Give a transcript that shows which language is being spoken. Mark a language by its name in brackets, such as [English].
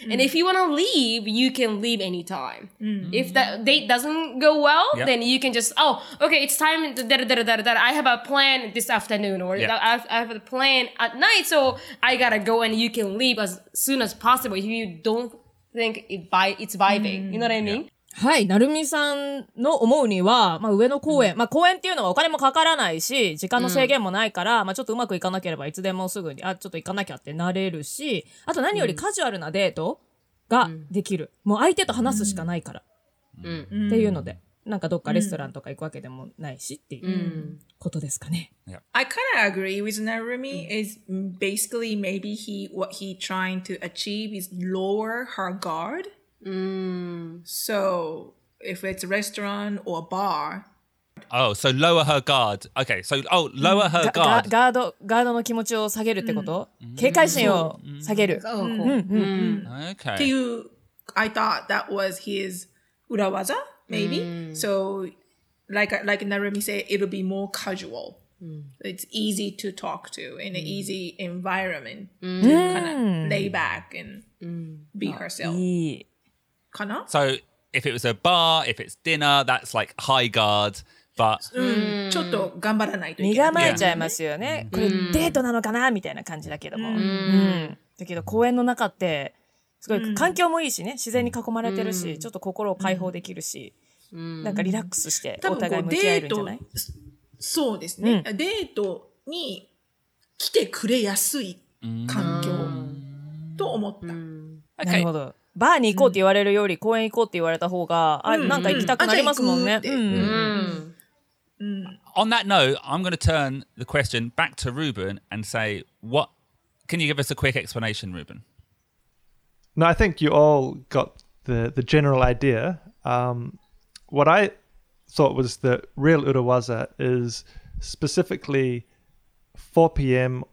[English] And if you want to leave, you can leave anytime. If that date doesn't go well, then you can just, oh, okay, it's time, I have a plan this afternoon, or I have a plan at night, so I gotta go and you can leave as soon as possible if you don't think it's vibing. You know what I mean? Yeah. [Japanese] はい、なるみさんの思うには、まあ、上野公園、まあ、公園っていうのはお金もかからないし、時間の制限もないから、まあ、ちょっとうまくいかなければ、いつでもすぐに、あ、ちょっと行かなきゃってなれるし、あと何よりカジュアルなデートができる。もう相手と話すしかないから。っていうので、なんかどっかレストランとか行くわけでもないしっていうことですかね。 [English] I kind of agree with Narumi is basically maybe what he trying to achieve is lower her guard. So, if it's a restaurant or a bar. Oh, so lower her guard. Okay, so, oh, lower her guard. [Japanese] Guard の気持ちを下げるってこと警戒心を下げる。 [English] Okay. I thought that was his 裏技 maybe. So, like Narumi said, it'll be more casual. It's easy to talk to in an easy environment to kind of lay back and be herself. So, if it was a bar, if it's dinner, that's like high guard. But [Japanese] ちょっと頑張らないといけない。身構えちゃいますよね。これデートなのかなみたいな感じだけども。だけど公園の中ってすごい環境もいいしね、自然に囲まれてるし、ちょっと心を解放できるし、なんかリラックスしてお互い向き合えるんじゃない？そうですね。デートに来てくれやすい環境と思った。 [English] Okay. [Japanese] なるほど。バーに行こうって言われるより公園行こうって言われた方が、なんか行きたくなりますもんね。 [English] On that note, I'm going to turn the question back to Ruben and say, what can you give us a quick explanation, Ruben? No, I think you all got the general idea. What I thought was the real urawaza is specifically 4 p.m.